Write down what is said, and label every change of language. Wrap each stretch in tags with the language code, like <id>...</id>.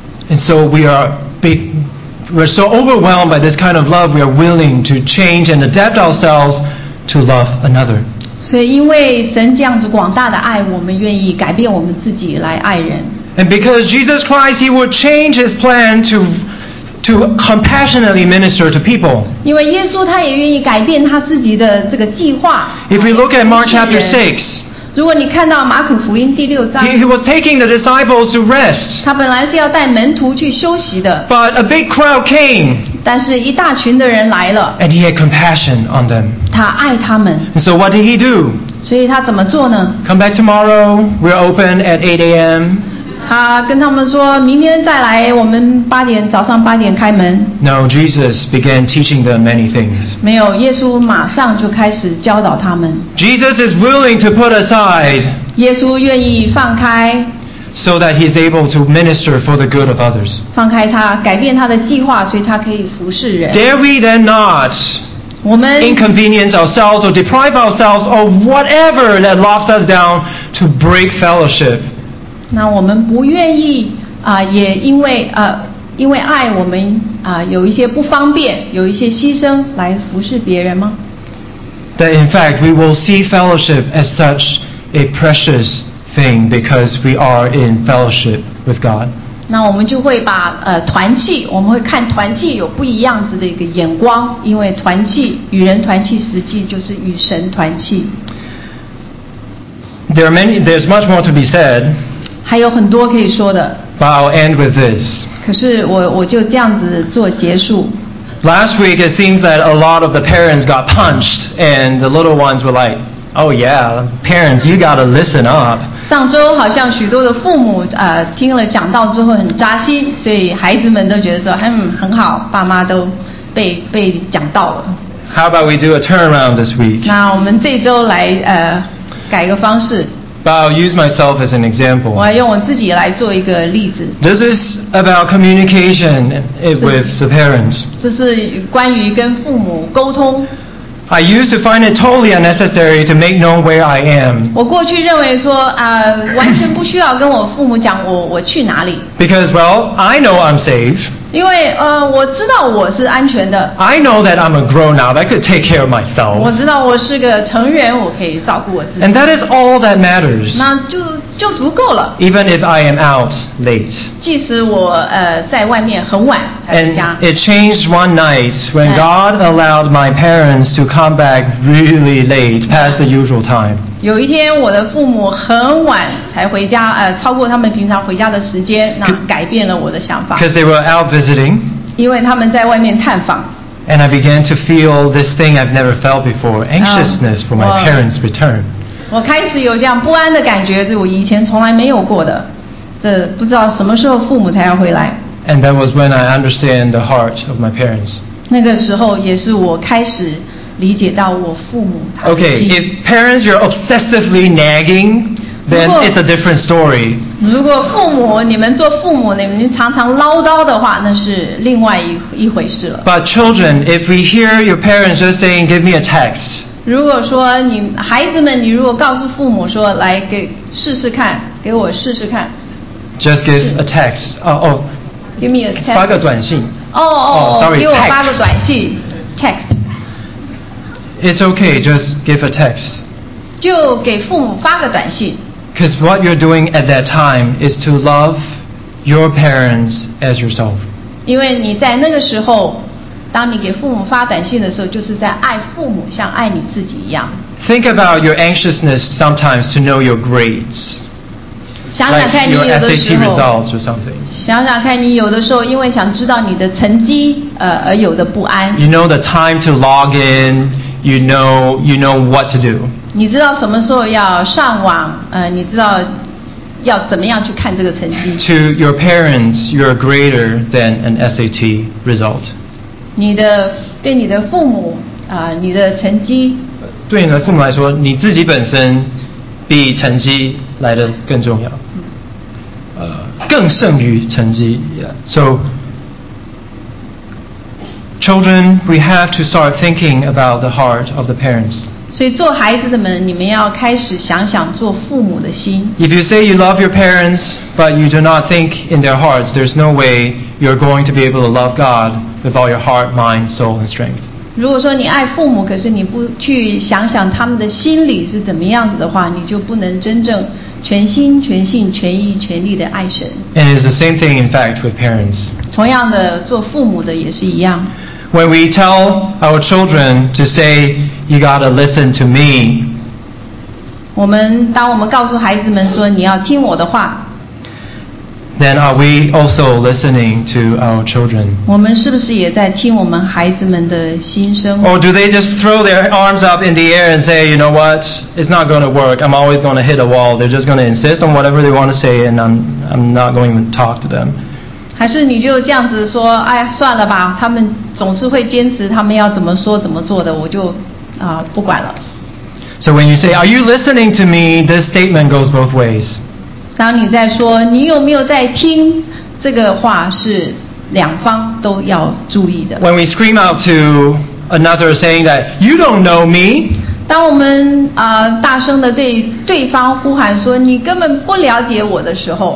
<en>And so we're so overwhelmed by this kind of love we are willing to change and adapt ourselves to love another</en> <zh>所以因为神这样子广大的爱我们愿意改变我们自己来爱人</zh> <en>And because Jesus Christ he would change his plan to compassionately minister to people.</en> <zh>因为耶稣他也愿意改变他自己的这个计划。</zh> <en>If we look at Mark chapter 6,</en> <zh>如果你看到马可福音第六章</zh> <en>he was taking the disciples to rest.</en> <zh>他本来是要带门徒去休息的。</zh> <en>But a big crowd came.</en> <zh>但是一大群的人来了。</zh> <en>And he had compassion on them.</en> <zh>他爱他们。</zh> <en>And so what did he do?</en> <zh>所以他怎么做呢?</zh> <en>Come back tomorrow. We're open at 8 a.m.</en> <zh>他跟他们说明天再来我们八点早上八点开门</zh> <en>No, Jesus began teaching them many things</en> <zh>没有耶稣马上就开始教导他们</zh> <en>Jesus is willing to put aside</en> <zh>耶稣愿意放开</zh> <en>So that he is able to minister for the good of others</en> <zh>放开他改变他的计划所以他可以服侍人</zh> <en>Dare we then not inconvenience ourselves or deprive ourselves or whatever that locks us down to break fellowship</en> <zh>那我们不愿意也因为爱我们有一些不方便有一些牺牲来服侍别人吗</zh> <en>That in fact we will see fellowship as such a precious thing because we are in fellowship with God</en> <zh>那我们就会把团契我们会看团契有不一样子的一个眼光因为团契与人团契实际就是与神团契</zh> <en>There are many, there's much more to be said.</en> <zh>还有很多可以说的。</zh> <en>But I'll end with this.</en> <zh>可是我就这样子做结束。</zh> <en>Last week it seems that a lot of the parents got punched and the little ones were like, oh yeah, parents, you gotta listen up.</en> <zh>上周好像许多的父母听了讲道之后很扎心，所以孩子们都觉得说很好，爸妈都被讲道了。</zh> <en>How about we do a turnaround this week?</en> <zh>那我们这周来改一个方式。</zh> <en>But I'll use myself as an example.</en> <zh>我用我自己来做一个例子。</zh> <en>This is about communication with the parents.</en> <zh>这是关于跟父母沟通。</zh> <en>I used to find it totally unnecessary to make known where I am.</en> <zh>我过去认为说完全不需要跟我父母讲我去哪里。</zh> <en>Because, well, I know I'm safe.</en> <zh>因为我知道我是安全的。</zh> <en>I know that I'm a grown up. I could take care of myself.</en> <zh>我知道我是个成人，我可以照顾我自己。</zh> <en>And that is all that matters.</en> <zh>那就足够了。</zh> <en>Even if I am out late.</en> <zh>即使我在外面很晚才回家。</zh> <en>And it changed one night when God allowed my parents to come back really late, past the usual time.</en> <zh>有一天我的父母很晚才回家，超过他们平常回家的时间，那改变了我的想法。</zh> <en>Because they were out. Visiting,</en> <zh>因为他们在外面探访</zh> <en>and I began to feel this thing I've never felt before, anxiousness for my parents' return.</en> <zh>我开始有这样不安的感觉，是我以前从来没有过的。这不知道什么时候父母才要回来。</zh> <en>And that was when I understand the heart of my parents.</en> <zh>那个时候也是我开始理解到我父母他的心。</zh> <en>Okay, if parents you're obsessively nagging. Then it's a different story.</en> <zh>如果父母，你们做父母，你们常常唠叨的话，那是另外一回事了。</zh> <en>But children, if we hear your parents just saying, "Give me a text."</en> <zh>如果说你孩子们，你如果告诉父母说，来给试试看，给我试试看。</zh> <en>Just give a text. Give me a text.</en> <zh>发个短信。</zh> <en>Sorry,</en> <zh>给我发个短信。</zh> <en>Text. It's okay. Just give a text.</en> <zh>就给父母发个短信。</zh> <en>Because what you're doing at that time is to love your parents as yourself.</en> <zh>因为你在那个时候，当你给父母发短信的时候，就是在爱父母，像爱你自己一样。</zh> <en>Think about your anxiousness sometimes to know your grades.</en> <zh>想想看你有的时候。</zh> <en>Like your SAT results or something.</en> <zh>想想看你有的时候，因为想知道你的成绩，而有的不安。</zh> <en>You know the time to log in. You know what to do.</en> <zh>你知道什么时候要上网？你知道要怎么样去看这个成绩</zh> <en>？To your parents, you're greater than an SAT result.</en> <zh>你的对你的父母你的成绩。对你的父母来说，你自己本身比成绩来得更重要。更胜于成绩。Yeah.</zh> <en>So, children, we have to start thinking about the heart of the parents.</en> <zh>所以做孩子的们，你们要开始想想做父母的心。</zh> <en>If you say you love your parents, but you do not think in their hearts, there's no way you're going to be able to love God with all your heart, mind, soul, and strength.</en> <zh>如果说你爱父母，可是你不去想想他们的心里是怎么样子的话，你就不能真正全心、全性、全意、全力的爱神。</zh> <en>And it's the same thing, in fact, with parents.</en> <zh>同样的，做父母的也是一样。</zh> <en>When we tell our children to say, "You gotta listen to me,"</en> <zh>当我们告诉孩子们说你要听我的话</zh> <en>，then are we also listening to our children?</en> <zh>我们是不是也在听我们孩子们的心声</zh> <en>？Or do they just throw their arms up in the air and say, "You know what? It's not going to work. I'm always going to hit a wall. They're just going to insist on whatever they want to say, and I'm not going to talk to them."</en> <zh>还是你就这样子说，哎，算了吧，他们。总是会坚持他们要怎么说怎么做的，我就不管了。</zh> <en>So when you say, "Are you listening to me?" this statement goes both ways.</en> <zh>当你在说你有没有在听这个话，是两方都要注意的。</zh> <en>When we scream out to another saying that you don't know me,</en> <zh>当我们大声的对对方呼喊说你根本不了解我的时候</zh>